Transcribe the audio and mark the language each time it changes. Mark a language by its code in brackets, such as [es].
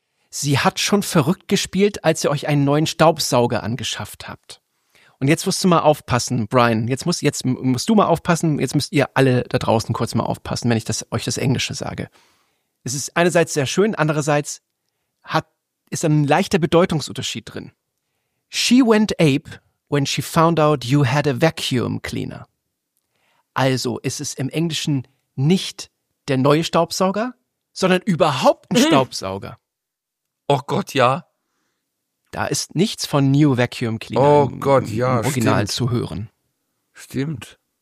[de] Sie hat schon verrückt gespielt, als ihr euch einen neuen Staubsauger angeschafft habt. Und jetzt musst du mal aufpassen, Brian. Jetzt musst du mal aufpassen. Jetzt müsst ihr alle da draußen kurz mal aufpassen, wenn ich euch das Englische sage. Es ist einerseits sehr schön, andererseits ist ein leichter Bedeutungsunterschied drin. [en] She went ape when she found out you had a vacuum cleaner. [de] Also ist es im Englischen nicht der neue Staubsauger, sondern überhaupt ein Staubsauger. Oh Gott, ja. Da ist nichts von [en] New Vacuum Cleaner [de] im Original stimmt. zu hören. Stimmt.